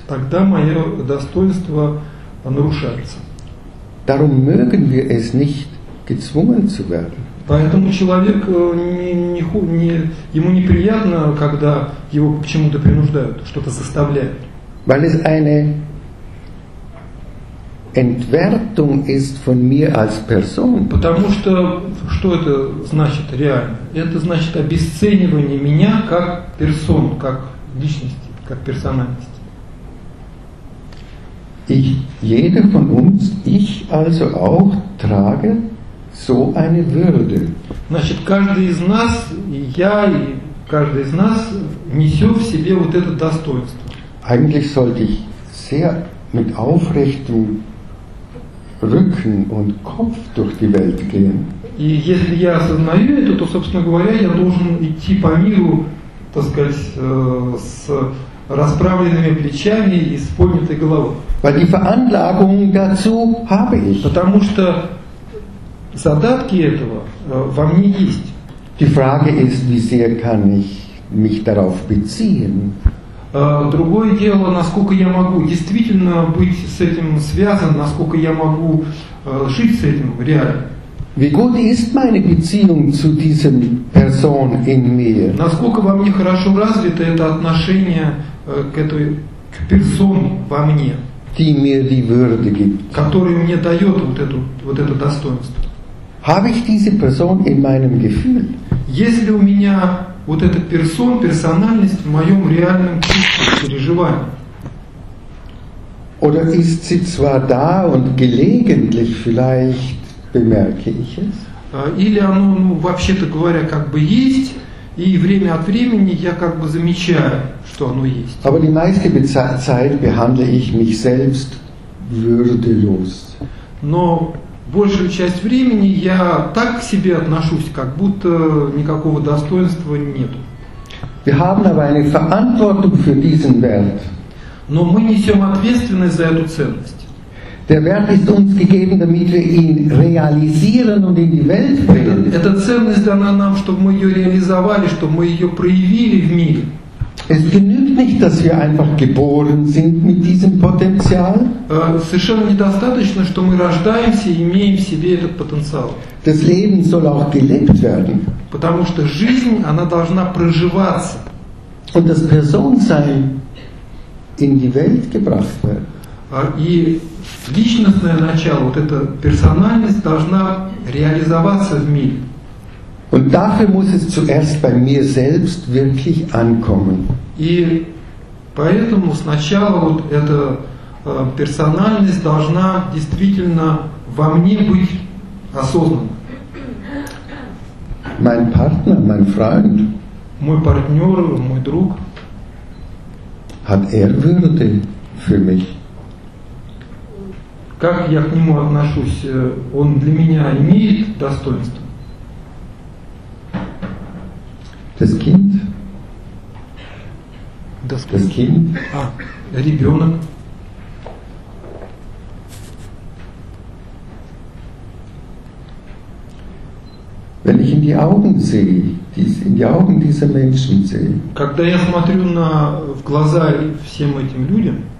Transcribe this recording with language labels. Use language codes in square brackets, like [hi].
[ru] Тогда мое достоинство нарушается. [de] Darum mögen wir es nicht, gezwungen zu werden. [ru] Поэтому человек не ему неприятно, когда его к чему-то принуждают, что-то заставляют. [de] Weil es eine Entwertung ist von mir als Person. [ru] Потому что что это значит реально? Это значит обесценивание меня как персон, как личности. Как [de] ich, jeder von uns, ich also auch trage so eine Würde. [ru] Значит, каждый из нас, и я, и каждый из нас несет в себе вот это достоинство. [de] Eigentlich sollte ich sehr mit aufrechtem Rücken und Kopf durch die Welt gehen. [ru] И если я осознаю это, то, собственно говоря, я должен идти по миру, так сказать, с расправленными плечами и с поднятой головой. [de] Weil die Veranlagung dazu habe ich. [ru] Потому что задатки этого во мне есть. [de] Die Frage ist, wie sehr kann ich mich darauf beziehen? [ru] Другое дело, насколько я могу действительно быть с этим связан, насколько я могу жить с этим реально. [de] Wie gut ist meine Beziehung zu diesem Person in mir? [ru] Насколько во мне хорошо развито это отношение к этой к персоне во мне, [de] die mir die Würde gibt. [ru] Который мне дает вот эту вот это достоинство. [de] Habe ich diese Person in meinem Gefühl? [ru] Есть ли у меня вот эта персон, персональность в моем реальном чувстве, переживании? [de] Oder ist sie zwar da und gelegentlich vielleicht bemerke ich es? [ru] Или оно, ну, вообще-то говоря, как бы есть, и время от времени я как бы замечаю, что оно есть. [de] Aber die meiste Zeit behandle ich mich selbst würdelos. [ru] Но большую часть времени я так к себе отношусь, как будто никакого достоинства нету. [de] Wir haben aber eine Verantwortung für diesen Wert. [ru] Но мы несем ответственность за эту ценность. [de] Der Wert ist uns gegeben, damit wir ihn realisieren und in die Welt bringen. [ru] Эта ценность дана нам, чтобы мы ее реализовали, чтобы мы ее проявили в мире. [de] Es genügt nicht, dass wir einfach geboren sind mit diesem Potenzial. [ru] Совершенно недостаточно, что мы рождаемся и имеем в себе этот потенциал. [de] Das Leben soll auch gelebt werden. [ru] Потому что жизнь, она должна проживаться. [de] Und das Personsein in die Welt gebracht werden. [ru] И личностное начало, вот эта персональность должна реализоваться в мире. [de] Und dafür muss es zuerst bei mir selbst wirklich ankommen. [ru] И поэтому сначала вот эта персональность должна действительно во мне быть осознанна. [de] Mein Partner, mein Freund. [ru] Мой партнер, мой друг. [de] Hat er Würde für mich? [ru] Как я к нему отношусь? Он для меня имеет достоинство? [de] Das Kind? Das Kind? [ru] Ребенок? [de] Wenn ich in die Augen sehe, in die Augen dieser Menschen sehe, [ru] когда я смотрю на, в глаза всем этим людям,